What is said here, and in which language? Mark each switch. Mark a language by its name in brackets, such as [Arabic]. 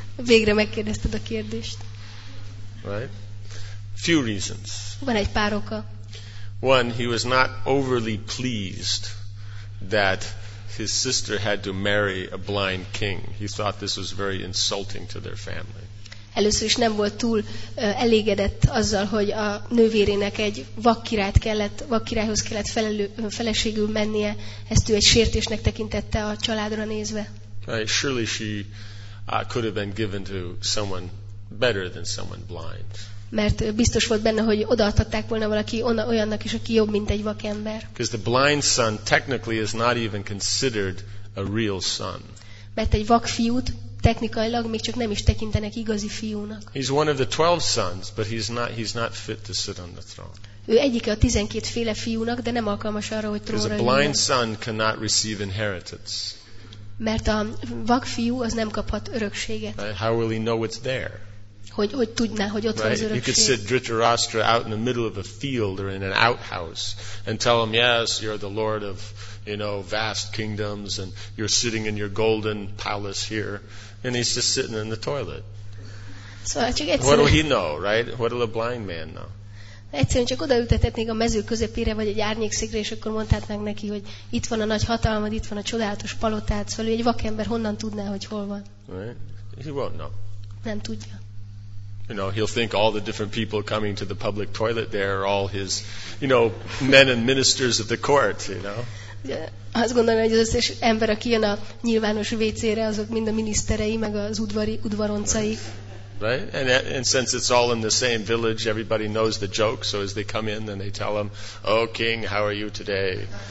[Hungarian] Végre megkérdezted a kérdést. [English] Right? Few reasons. [Hungarian] Van egy pár oka. [English] One, he was not overly pleased that his sister had to marry a blind king. He thought this was very insulting to their family. [Hungarian] Először is nem volt túl elégedett azzal, hogy a nővérének egy vakkirályhoz kellett feleségül mennie, ezt ő egy sértésnek tekintette a családra nézve. [English] Right, surely she could have been given to someone better than someone blind. [Hungarian] Mert biztos volt benne, hogy odaadhatták volna valaki olyannak is, aki jobb, mint egy vakember. [English] Because the blind son technically is not even considered a real son. [Hungarian] Mert egy vakfiút technikailag még csak nem is tekintenek igazi fiúnak. [English] He's one of the 12 sons, but he's not fit to sit on the throne. [Hungarian] Ő egyik a 12 féle fiúnak, de nem alkalmas arra, hogy trónra üljön. [English] A blind son cannot receive inheritance. [Hungarian] Mert a vakfiú az nem kaphat örökséget. [English] How will he know it's there? [Hungarian] Hogy tudná, hogy ott van az örökség? [English] You could sit Dhritarashtra out in the middle of a field or in an outhouse and tell him, yes, you're the lord of, you know, vast kingdoms and you're sitting in your golden palace here, and he's just sitting in the toilet. What will he know, right? What will a blind man know? [Hungarian] Egyszerűen csak odaültetetnék a mező közepére vagy egy árnyékszikre, és akkor mondhatnánk neki, hogy itt van a nagy hatalmad, itt van a csodálatos palotád, szóval egy vakember honnan tudná, hogy hol van? [English] Right? He won't know. [Hungarian] Nem tudja. [English] You know, he'll think all the different people coming to the public toilet there are all his, you know, men and ministers of the court, you know. [Hungarian] Azt gondolom, hogy az összes ember, aki jön a nyilvános WC-re, azok mind a miniszterei, meg az udvaroncai. [English] Right? And since it's all in the same village, everybody knows the joke, so as they come in, then they tell him, oh, king, how are you today?